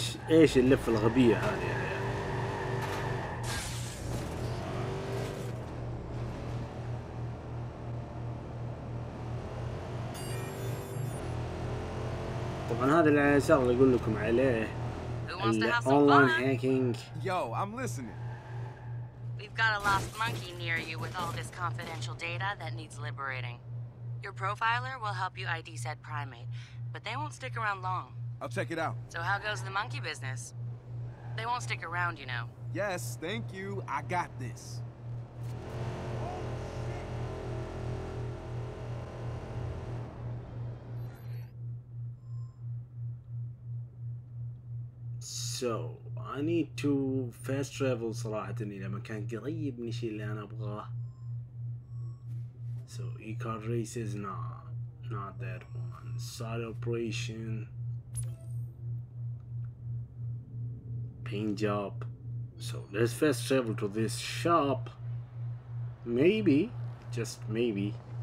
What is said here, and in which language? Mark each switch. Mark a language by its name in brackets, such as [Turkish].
[Arabic] ايش اللفه الغبيه هذه يا عيال؟ طبعا هذا اللي صار اللي اقول لكم عليه الاونلاين هاكينج. [English] You am listening. We've got a lost monkey near you with all this confidential data that needs liberating. Your profiler will help you ID said primate, but they won't stick around long. I'll check it out. So how goes the monkey business? They won't stick around, you know. Yes, thank you. I got this. So, I need to fast travel [Arabic] صراحة إلى مكان قريب من الشيء اللي أنا أبغاه. [English] So, e-car race is not that one. Side operation. Job. So let's first travel to this shop. Maybe, just maybe.